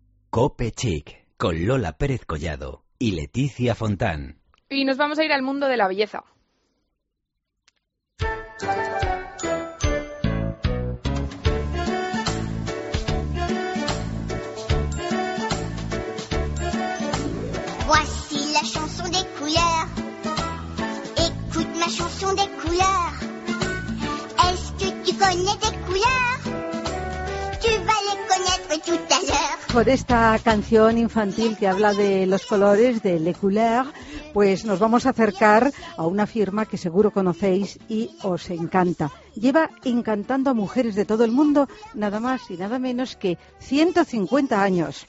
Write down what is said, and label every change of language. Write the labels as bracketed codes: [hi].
[es] Cope Chic, con Lola Pérez Collado y Leticia Fontán. Y nos vamos a ir al mundo de la belleza. [fr] Voici la chanson des couleurs. Écoute ma chanson des couleurs. Est-ce que tu connais des couleurs? Tu vas les connaître tout à l'heure. [es] Por esta canción infantil que habla de los colores, de [fr] les couleurs, [es] pues nos vamos a acercar a una firma que seguro conocéis y os encanta. Lleva encantando a mujeres de todo el mundo nada más y nada menos que 150 años.